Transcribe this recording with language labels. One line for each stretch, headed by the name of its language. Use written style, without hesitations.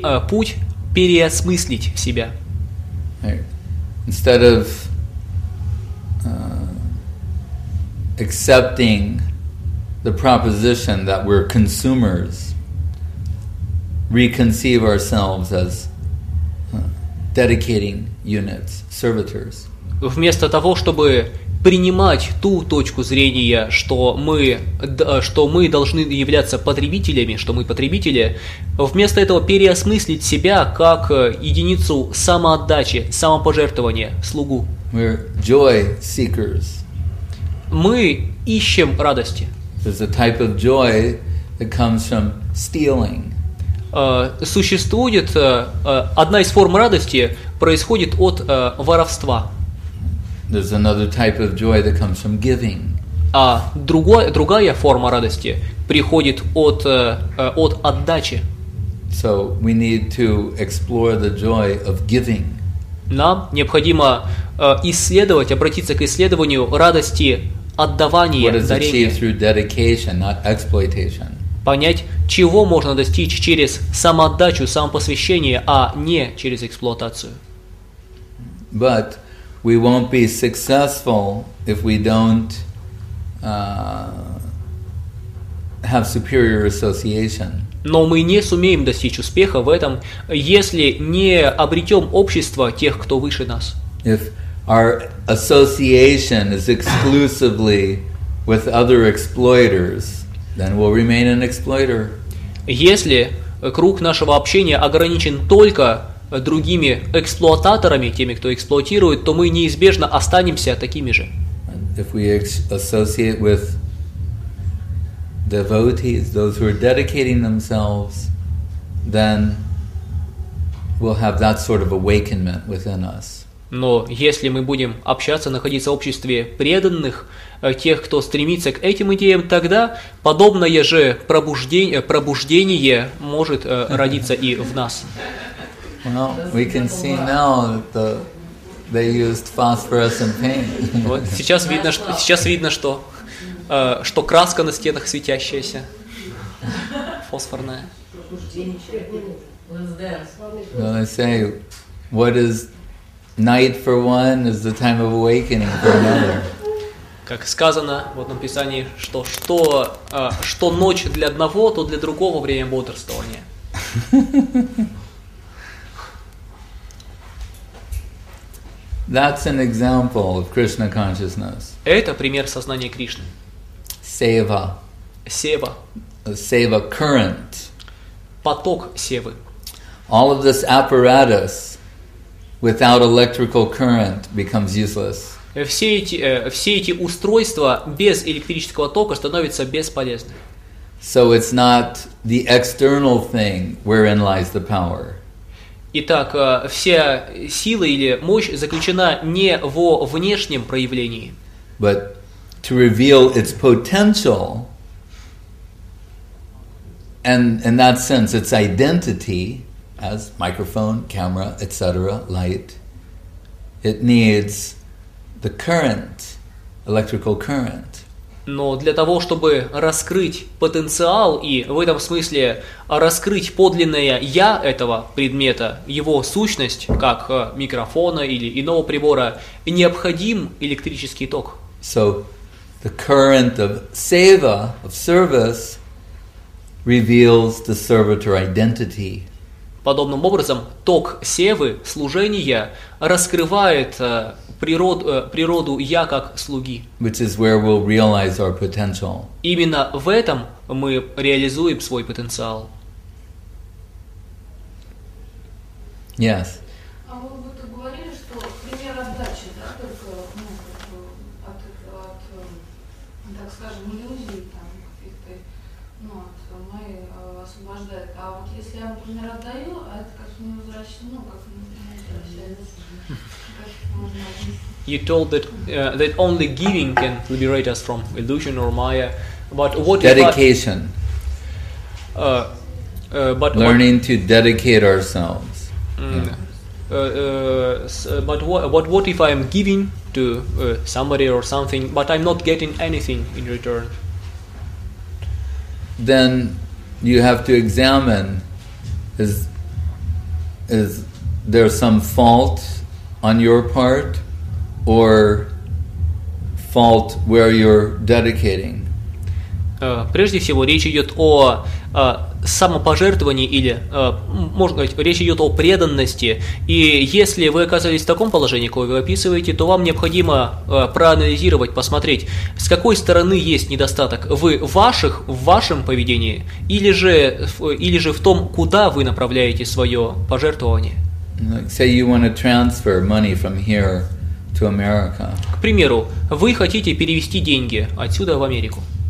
Russian: Путь переосмыслить себя.
English: Right. Instead of accepting the proposition that we're consumers, reconceive ourselves as dedicating units, servitors.
Russian: Вместо того, чтобы принимать ту точку зрения, что мы должны являться потребителями, что мы потребители, вместо этого переосмыслить себя как единицу самоотдачи, самопожертвования, слугу.
English: We're joy seekers.
Russian: Мы ищем радости.
English: There's a type of joy that comes from stealing.
Russian: Существует одна из форм радости происходит от воровства.
English: There's another type of joy that comes from giving.
Russian: А другая форма радости приходит от отдачи.
English: So we need to explore the joy of giving.
Russian: Нам необходимо исследовать, обратиться к исследованию радости. Отдавание,
English: what is
Russian: дарение.
English: Achieved through dedication, not exploitation.
Russian: Понять, чего можно достичь через самоотдачу, самопосвящение, а не через эксплуатацию.
English: But we won't be successful if we don't have superior association.
Russian: Но мы не сумеем достичь успеха в этом, если не обретем общество тех, кто выше нас.
English: If our association is exclusively with other exploiters, then we'll remain an exploiter.
Russian: Если круг нашего общения ограничен только другими эксплуататорами, теми, кто эксплуатирует, то мы неизбежно останемся такими же.
English: If we associate with devotees, those who are dedicating themselves, then we'll have that sort of awakenment within us.
Russian: Но если мы будем общаться, находиться в обществе преданных, тех, кто стремится к этим идеям, тогда подобное же пробуждение может родиться и в нас.
English: Well, we can see now that they used phosphorescent paint.
Russian: Вот сейчас видно, что что краска на стенах светящаяся, фосфорная.
English: Well, I say, what is night for one is the time of awakening for another.
Russian: Как сказано в одном писании, что ночь для одного, то для другого время бодрствования.
English: That's an example of Krishna consciousness.
Russian: Это пример сознания Кришны. Сева. Сева.
English: Сева current.
Russian: Поток севы.
English: All of this apparatus without electrical current becomes useless.
Russian: Все эти устройства без электрического тока становятся бесполезны.
English: So it's not the external thing wherein lies the power.
Russian: Итак, вся сила или мощь заключена не во внешнем проявлении.
English: But to reveal its potential, and in that sense its identity, as microphone, camera, etc., light, it needs the current, electrical current.
Russian: Но для того, чтобы раскрыть потенциал и в этом смысле раскрыть подлинное «я» этого предмета, его сущность, как микрофона или иного прибора, необходим электрический ток.
English: So, the current of seva, of service, reveals the servitor identity.
Russian: Подобным образом, ток севы, служения, раскрывает природу «я» как слуги.
English: Which is where we'll realize our potential.
Russian: Именно в этом мы реализуем свой потенциал.
English: Yes.
Russian: А вы бы то говорили, что пример отдачи, да, только, ну, от, от, так скажем, иллюзий там каких-то, ну, от моей освобождает. А вот если я, например, отдаю, а это как не возвращается, ну, как не возвращается, как можно отнести.
English: You told that that only giving can liberate us from illusion or Maya, but what dedication? But learning what, to dedicate ourselves. Mm, yeah. But what if I am giving to somebody or something, but I'm not getting anything in return? Then you have to examine: is there some fault on your part? Or fault where you're dedicating.
Russian: Прежде всего, речь идет о самопожертвовании или, можно говорить, речь идет о преданности. И если вы оказались в таком положении, какое вы описываете, то вам необходимо проанализировать, посмотреть, с какой стороны есть недостаток в вашем поведении или же в том, куда вы направляете свое пожертвование.
English: Like, say you want to transfer money from here. To America.
Russian: К примеру, вы хотите перевести деньги отсюда в Америку.